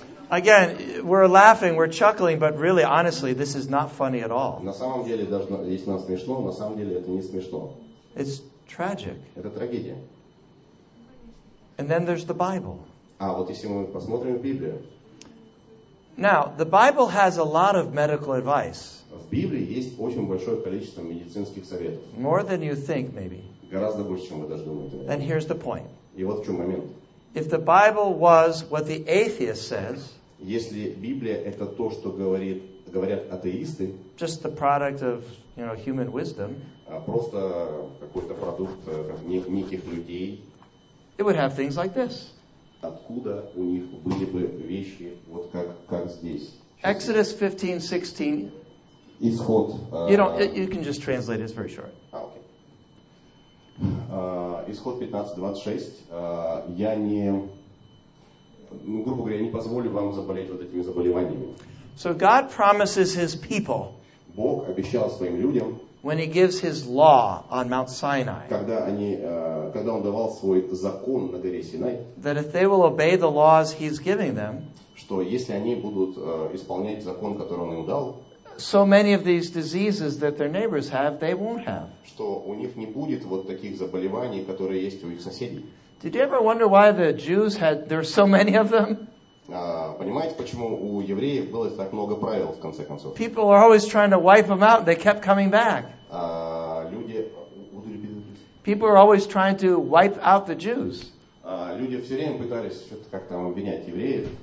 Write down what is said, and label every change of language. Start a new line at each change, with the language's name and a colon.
English: Again, we're laughing, we're chuckling, but really, honestly, this is not funny at all.
Russian: На самом деле, даже если нам смешно, на самом деле это не смешно.
English: It's tragic.
Russian: Это трагедия.
English: And then there's the Bible.
Russian: А вот если мы посмотрим Библию.
English: Now, the Bible has a lot of medical advice.
Russian: В Библии есть очень большое количество медицинских советов.
English: More than you think, maybe.
Russian: Гораздо больше, чем вы даже думаете.
English: And here's the point.
Russian: И вот в чем момент.
English: If the Bible was what the atheist says,
Russian: если Библия это то, что говорят атеисты,
English: just the product of, you know, human wisdom,
Russian: просто какой-то продукт неких людей,
English: it would have things like this.
Russian: Откуда у них были бы вещи, вот как здесь?
English: Exodus 15:16.
Russian: Исход.
English: You can just translate it, it's very short. Okay.
Russian: Исход 15:26. Я не, ну, грубо говоря, я не позволю вам заболеть вот этими заболеваниями.
English: So God promises his people.
Russian: Бог обещал своим людям.
English: When he gives his law on Mount Sinai,
Russian: когда он давал свой закон на горе Синай,
English: that if they will obey the laws he's giving them,
Russian: что если они будут исполнять закон, который он им дал,
English: so many of these diseases that their neighbors have, they won't have.
Russian: Что у них не будет вот таких заболеваний, которые есть у их соседей.
English: Did you ever wonder why the Jews had, there's so many of them?
Russian: Понимаете, почему у евреев было так много правил, в конце концов?
English: People are always trying to wipe them out, they kept coming back.
Russian: Люди...
English: People are always trying to wipe out the Jews.
Russian: Люди все время пытались что-то как там обвинять евреев.